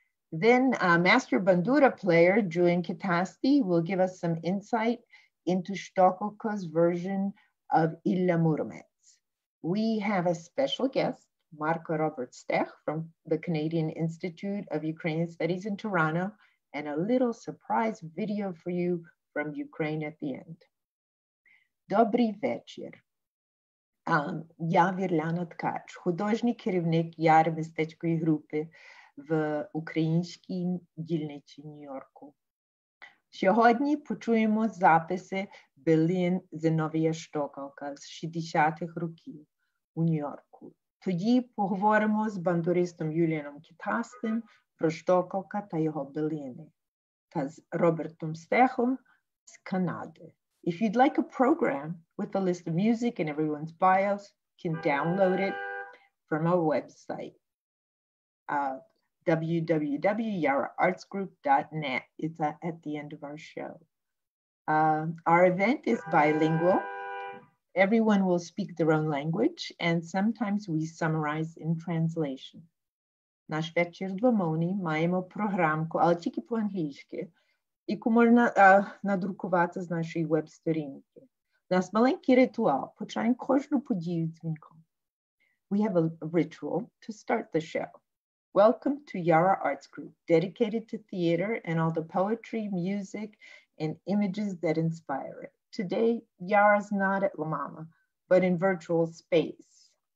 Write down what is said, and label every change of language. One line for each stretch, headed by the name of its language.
English: Then master bandura player Julian Kytasty will give us some insight into Shtokalko's version of Ilya Muromets. We have a special guest, Marko Stech from the Canadian Institute of Ukrainian Studies in Toronto, and a little surprise video for you from Ukraine at the end.
Ukrainian: Добрий вечір. Я Вірляна Ткач, художній керівник Яри мистецької групи в українській дільниці Нью-Йорку. Сьогодні почуємо записи Білін Зиновія Штокалка з 60-х років у Нью-Йорку. Тоді поговоримо з бандуристом Юліаном Кітастим про Штокалка та його Біліни та з Робертом Стехом з Канади.
English: If you'd like a program with a list of music and everyone's bios, you can download it from our website, www.yaraartsgroup.net. It's at the end of our show. Our event is bilingual. Everyone will speak their own language, and sometimes we summarize in translation.
Ukrainian: Наш вечір двомовний, маємо програмку, але тільки по-англійськи, яку можна надрукувати з нашої веб-сторінки. У нас маленький ритуал. Починаємо кожну подію дзвінком.
English: We have a ritual to start the show. Welcome to Yara Arts Group, dedicated to theater and all the poetry, music, and images that inspire it. Today, Yara's not at La Mama, but in virtual space.